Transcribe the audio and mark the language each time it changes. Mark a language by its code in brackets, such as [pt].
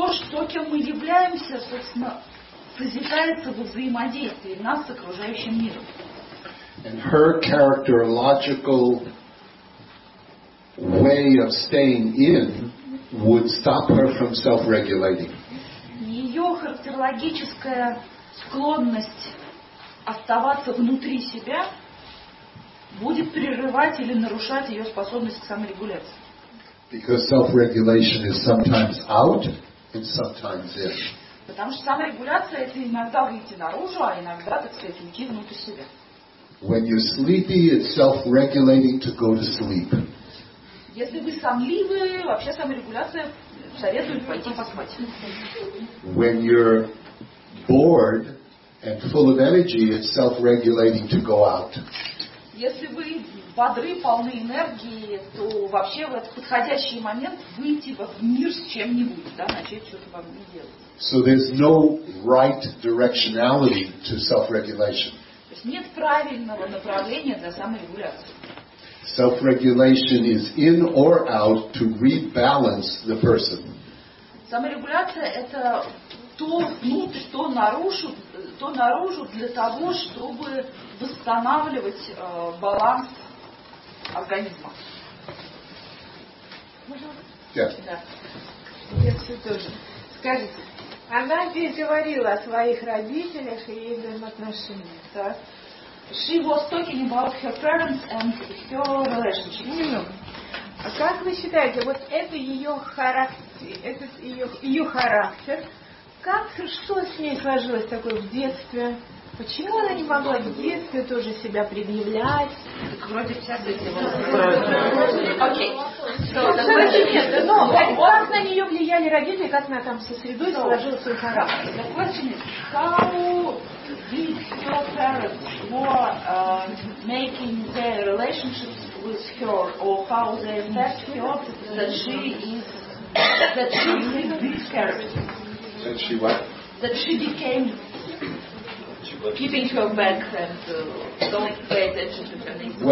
[ru] То, кем мы являемся, собственно, созидается во взаимодействии нас с окружающим миром. [en] And her characterological way of staying in would stop her from self-regulating. [ru] Ее характерологическая склонность оставаться внутри себя будет прерывать или нарушать ее способность к саморегуляции. [en] Because self-regulation is sometimes out and sometimes in. [ru] Потому что саморегуляция это иногда выйти наружу, а иногда, так сказать, уйти внутрь себя. [en] When you're sleepy, it's self-regulating to go to sleep. [ru] Если вы сонливы, вообще саморегуляция советует пойти поспать. [en] When you're bored, and full of energy, it's self-regulating to go out. [ru] Если вы бодры, полны энергии, то вообще в этот подходящий момент выйти в мир с чем-нибудь, да, начать что-то вам делать. [en] So there's no right directionality to self-regulation. [ru] То есть нет правильного направления для саморегуляции. [en] Self-regulation is in or out to rebalance the person. [ru] Саморегуляция – это то внутрь, то наружу для того, чтобы восстанавливать баланс организма. Можно? [en] Yeah. [ru] Да. Я тоже. Скажите, она здесь говорила о своих родителях и их взаимоотношениях, да? [en] She was talking about her parents and her relationship. Mm-hmm. [ru] А как вы считаете, вот это ее характер, этот ее характер, как, что с ней сложилось такое в детстве? Почему она не могла в детстве тоже себя предъявлять? Вроде сейчас эти вопросы. Окей. Как на нее влияли родители, как она там со средой сложила свой характер? [en] The question is, how did her parents were making their relationships with her, or how they affect her, that she became keeping her back and don't pay attention to her name.